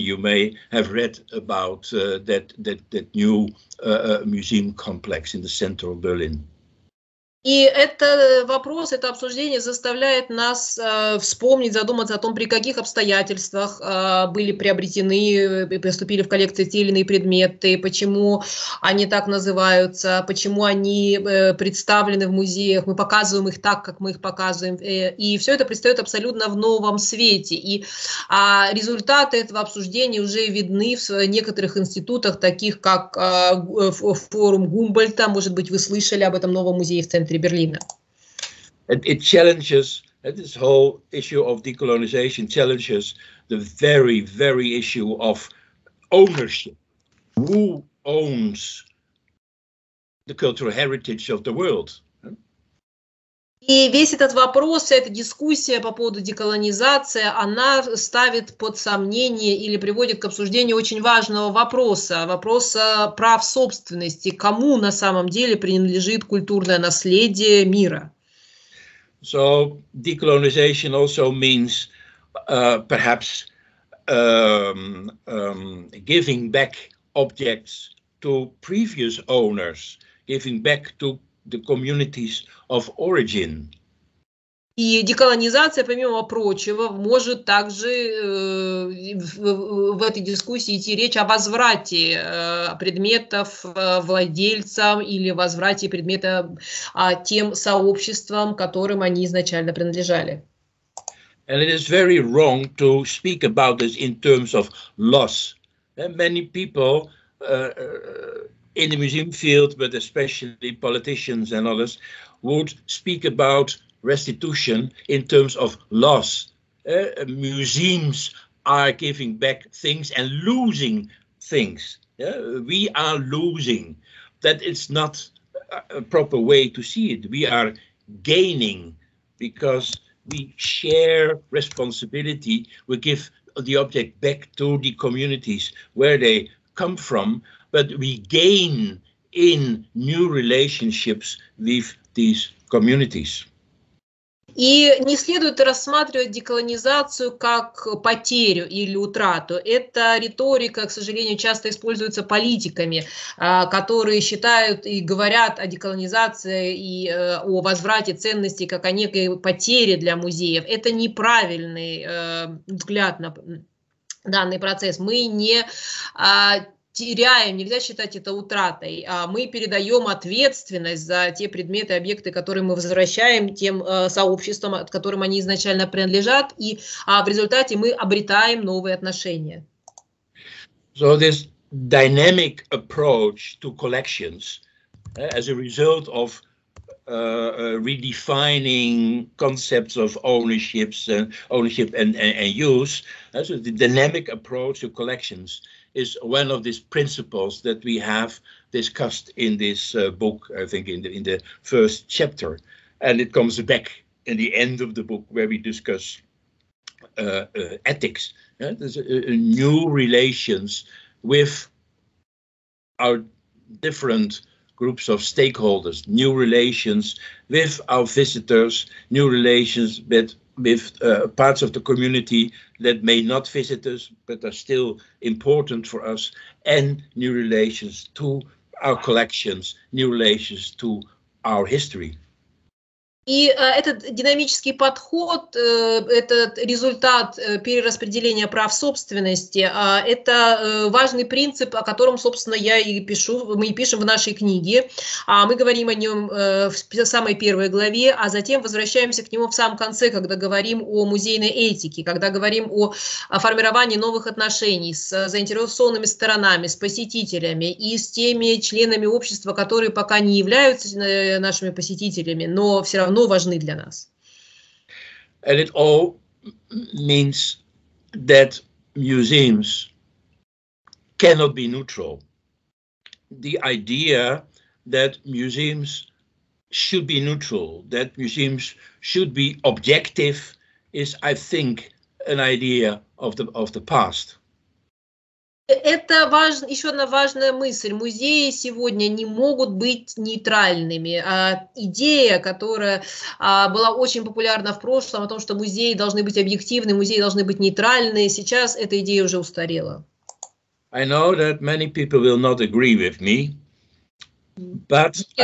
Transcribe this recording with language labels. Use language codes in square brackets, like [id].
[en] You may have read about that new museum complex in the center of Berlin. [ru] И это вопрос, это обсуждение заставляет нас вспомнить, задуматься о том, при каких обстоятельствах были приобретены, поступили в коллекции те или иные предметы, почему они так называются, почему они представлены в музеях, мы показываем их так, как мы их показываем. И все это предстает абсолютно в новом свете. И результаты этого обсуждения уже видны в некоторых институтах, таких как форум Гумбольдта. Может быть, вы слышали об этом новом музее в центре Берлина. [en] It challenges this whole issue of decolonization, challenges the very, very issue of ownership. Who owns the cultural heritage of the world? [ru] И весь этот вопрос, вся эта дискуссия по поводу деколонизации, она ставит под сомнение или приводит к обсуждению очень важного вопроса, вопроса прав собственности, кому на самом деле принадлежит культурное наследие мира. [en] So decolonization also means perhaps giving back objects to previous owners, giving back to the communities of origin. [ru] И деколонизация, помимо прочего, может также в этой дискуссии идти речь о возврате предметов владельцам или возврате предмета тем сообществам, которым они изначально принадлежали. [en] And it is very wrong to speak about this in terms of loss. And many people in the museum field, but especially politicians and others, would speak about restitution in terms of loss. Museums are giving back things and losing things. We are losing. That is not a proper way to see it. We are gaining because we share responsibility. We give the object back to the communities where they come from, but we gain in new relationships with these communities. [ru] И не следует рассматривать деколонизацию как потерю или утрату. Эта риторика, к сожалению, часто используется политиками, которые считают и говорят о деколонизации и о возврате ценностей как о некой потере для музеев. Это неправильный взгляд на данный процесс. Мы не теряем, нельзя считать это утратой. Мы передаем ответственность за те предметы, объекты, которые мы возвращаем тем сообществам, от которым они изначально принадлежат, и в результате мы обретаем новые отношения. [en] So this dynamic approach to collections, as a result of redefining concepts of ownerships and ownership and use, so the dynamic approach to collections is one of these principles that we have discussed in this book, I think in the first chapter. And it comes back in the end of the book where we discuss ethics. Yeah? There's a new relations with our different groups of stakeholders, new relations with our visitors, new relations with parts of the community that may not visit us, but are still important for us, and new relations to our collections, new relations to our history. [ru] И этот динамический подход, этот результат перераспределения прав собственности, это важный принцип, о котором, собственно, я и пишу, мы и пишем в нашей книге. Мы говорим о нем в самой первой главе, а затем возвращаемся к нему в самом конце, когда говорим о музейной этике, когда говорим о формировании новых отношений с заинтересованными сторонами, с посетителями и с теми членами общества, которые пока не являются нашими посетителями, но все равно важны для нас. [en] And it all means that museums cannot be neutral. The idea that museums should be neutral, that museums should be objective, is, I think, an idea of the past. [ru] Это важно, еще одна важная мысль. Музеи сегодня не могут быть нейтральными. Идея, которая была очень популярна в прошлом, о том, что музеи должны быть объективны, музеи должны быть нейтральны, сейчас эта идея уже устарела. [en] I know that many people will not agree with me, but